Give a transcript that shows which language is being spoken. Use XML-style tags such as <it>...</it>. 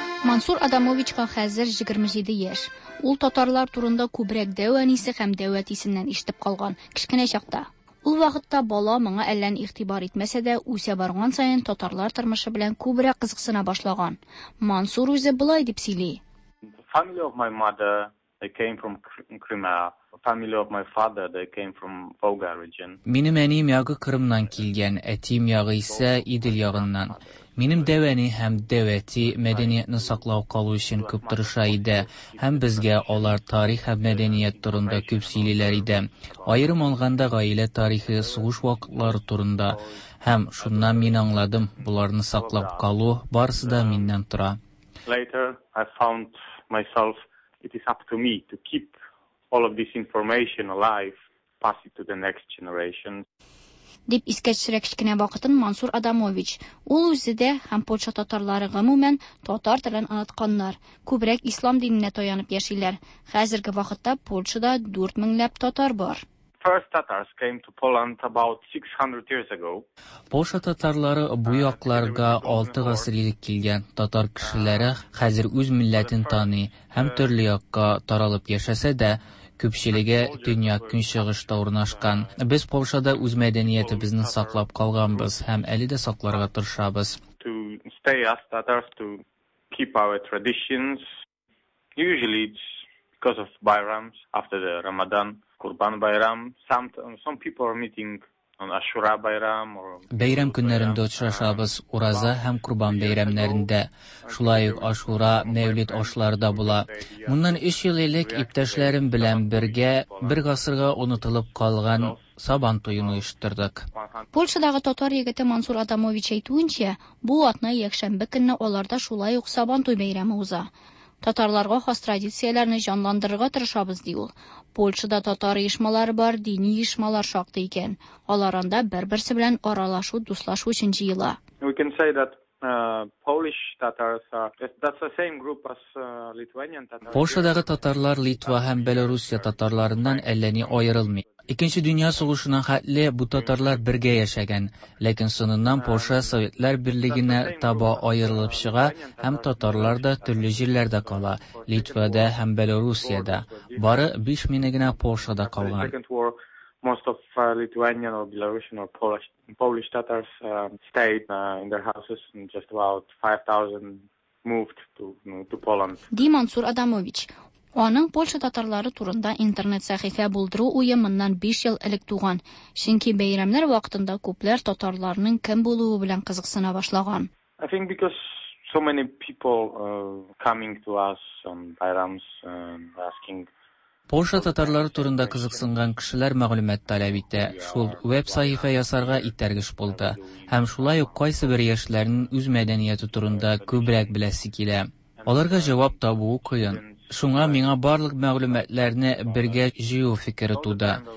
<tt>Мансур Адамовичка хәзер 27 яш. Ул татарлар турында күбрәк дәүәнисе һәм дәүәтисеннән ишетеп калган кичкенә чакта. Ул вакытта бала моңа әллән ихтибар итмәсә дә, үсә барган саен татарлар тормышы белән күбрәк кызыксына башлаган. Мансур үзе булай дип сөйли.</tt> <en>Family of my mother, they came from Crimea. Family of my father, they came from Volga region.</en> <tt>Минем әнием ягы Кырымнан килгән, әтием ягы исә Идел ягыннан. Минем дәвәне һәм дәвәти мәдәниятне саклау калу өчен күп тырыша иде, һәм безгә алар тарих һәм мәдәният турында күп сөйлиләр иде. Аерым алганда гаилә тарихи, сугыш вакытлары турында, һәм шуннан мин аңладым, буларны саклап калу барысы да миннән тора.</tt> <en>Later I found myself it is up to me to keep all of this information alive, pass it to the next generation.</en> <tt>Дип искәчерәк кичкенә вакытын Мансур Адамович. Ул үзе дә һәм Польша татарлары гомумән татар телен онытканнар, күбрәк ислам диненә таянып яшиләр. Хәзерге вакытта Польшада 4000 ләп татар бар.</tt> <en>First Tatars came to Poland about 600 years ago.</en> <tt>Польша татарлары бу якларга 6 гасыр элек килгән. Татар кешеләре хәзер үз милләтен таный һәм төрле якка таралып яшәсә дә, күпчелеге дөнья көнчыгышта урнашкан. Без Польшада үз мәдәниятебезне саклап калганбыз һәм әле дә сакларга тырышабыз.</tt> <en>To stay as Tatars, to keep our traditions. Usually it's because of Bayrams after the Ramadan. Курбан байрам, some people are meeting on Ашура байрам or</en> <tt>Бәйрәм көннәрендә очрашабыз, Ураза һәм Курбан бәйрәмнәрендә. Шулай ук Ашура, Мәүлид ашларында була. Моннан 3 ел элек иптәшләрем белән бергә бер гасырга онытылып калган Сабан туен оештырдык. Польшадагы татар егете Мансур Адамович әйтүенчә, бу атна якшәмбе көнне аларда шулай ук Сабан туй бәйрәме уза. Татарларга хас традицияләрне җанландырырга тырышабыз ди ул. Польшада татар оешмалары бар, дини оешмалар шактый икән. Алар анда бер-берсе белән аралашу, дуслашу өчен җыела.</tt> <en>We can say that Polish Tatars are that's the same group as Lithuanian Tatars.</en> <tt>Польшадагы татарлар Литва һәм Белоруссия татарларыннан әлләни аерылмый. Икенче дөнья сугышына хәтле бу татарлар бергә яшәгән, ләкин соңыннан Польша Советлар Берлегенә таба аерылып чыга һәм татарлар да төрле җирләрдә кала, Литвада һәм Белоруссиядә. Бары 5 мине генә Польшада калган.</tt> <en>Most of Lithuanian or Belarusian or Polish Tatars stayed in their houses and just about 5,000 moved to Poland.</en> <tt>Ди Мансур Адамович. Аның Польша татарлары турында интернет сәхифә булдыру уе моннан 5 ел элек туган. Чөнки бәйрәмнәр вакытында күпләр татарларның кем булуы белән кызыксына башлаган.</tt> <en>I think because so many people coming to us on bayrams and asking</en> <tt>Польша татарлары турында кызыксынган кешеләр мәгълүмәт таләп итә. Шул веб-сайфа ясарга итәргеш булды. Һәм шулай ук кайсы бер яшьләрнең үз мәдәнияты турында күбрәк беләсе килә. Аларга җавап табу кыен. Шуңа миңа барлык мәгълүматларны бергә җыю фикере туды.</tt>